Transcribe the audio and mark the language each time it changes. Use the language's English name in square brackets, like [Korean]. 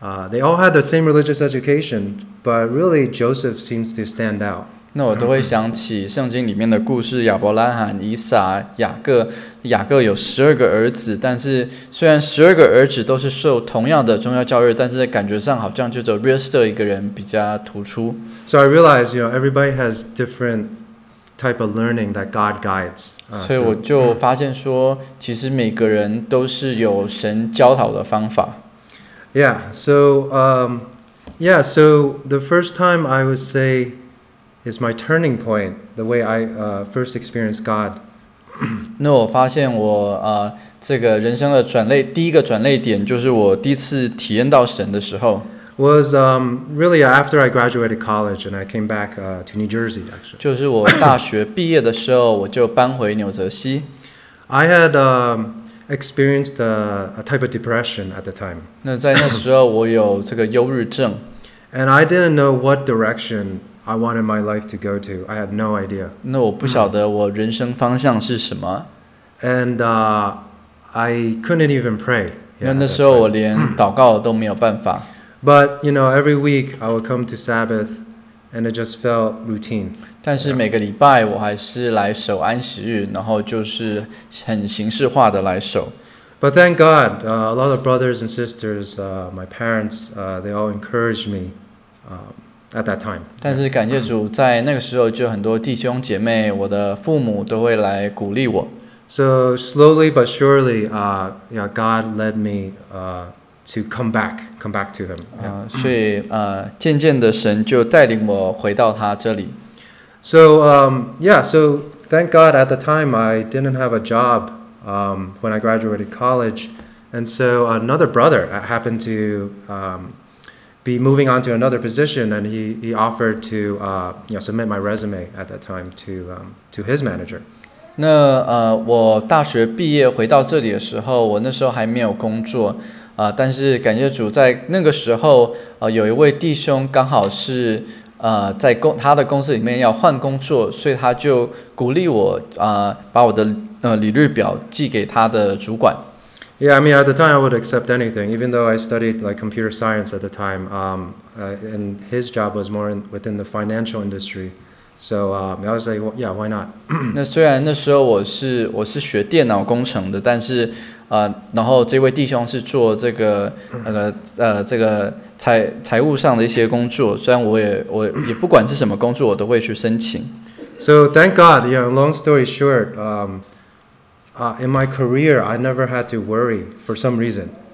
[English] They all had the same religious education, but really Joseph seems to stand out. [Chinese] 那我都会想起圣经里面的故事，亚伯拉罕、以撒、雅各。雅各有十二个儿子，但是虽然十二个儿子都是受同样的宗教教育，但是感觉上好像就只有约瑟一个人比较突出。 [English] So I realize, you know, everybody has different type of learning that God guides. [Chinese] 所以我就发现说，其实每个人都是有神教导的方法。 [English] Yeah, so the first time I would say is my turning point, the way I first experienced God. [Chinese] 那我发现我这个人生的转捩第一个转捩点就是我第一次体验到神的时候。 [English] Was really after I graduated college and I came back to New Jersey actually. [Chinese] 就是我大学毕业的时候我就搬回纽泽西。 [English] I had experienced a type of depression at the time. [Chinese] 那在那时候我有这个忧郁症。 [English] And I didn't know what direction I wanted my life to go to. I had no idea. [Chinese] 那我不晓得我人生方向是什么。 [English] And I couldn't even pray. [Chinese] 那时候我连祷告都没有办法。 [English] But you know, every week I would come to Sabbath, and it just felt routine. [Chinese] 但是每个礼拜我还是来守安息日，然后就是很形式化的来守。 [English] But thank God, a lot of brothers and sisters, my parents, they all encouraged me at that time. [Chinese] 但是感谢主，在那个时候就很多弟兄姐妹，我的父母都会来鼓励我。 [English] So slowly but surely, yeah, God led me. To come back to him. [Chinese] 所以渐渐的神就带领我回到他这里。 [English] So yeah, so thank God at the time I didn't have a job when I graduated college, and so another brother happened to be moving on to another position, and he offered to submit my resume at that time to his manager. [Chinese] 那我大学毕业回到这里的时候，我那时候还没有工作。但是感谢主，在那个时候，有一位弟兄刚好是在他的公司里面要换工作，所以他就鼓励我把我的履历表寄给他的主管。 [English] Yeah, I mean, at the time, I would accept anything, even though I studied like computer science at the time. And his job was more within the financial industry, so I was like, well, yeah, why not? [Chinese] 那虽然那时候我是学电脑工程的，但是。然后这位弟兄是做这个这个财务上的一些工作，虽然我也不管是什么工作，我都会去申请。 [English] So thank God, yeah. Long story short, in my career, I never had to worry for some reason.